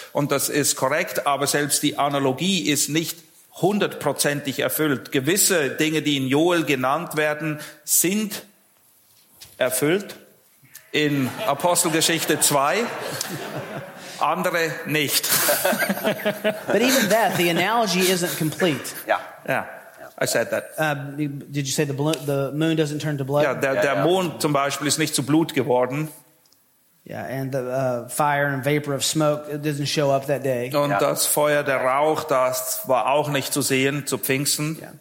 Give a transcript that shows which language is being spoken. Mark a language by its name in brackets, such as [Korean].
[German] Und das ist korrekt, aber selbst die Analogie ist nicht hundertprozentig erfüllt. Gewisse Dinge, die in Joel genannt werden, sind erfüllt in Apostelgeschichte 2, andere nicht. [English] But even that, the analogy isn't complete. Yeah. I said that. Did you say the moon doesn't turn to blood? [German] Yeah, der Mond zum Beispiel ist nicht zu Blut geworden. [English] Yeah, and the fire and vapor of smoke it doesn't show up that day. [German] Und das Feuer, der Rauch, das war auch nicht zu sehen zu Pfingsten.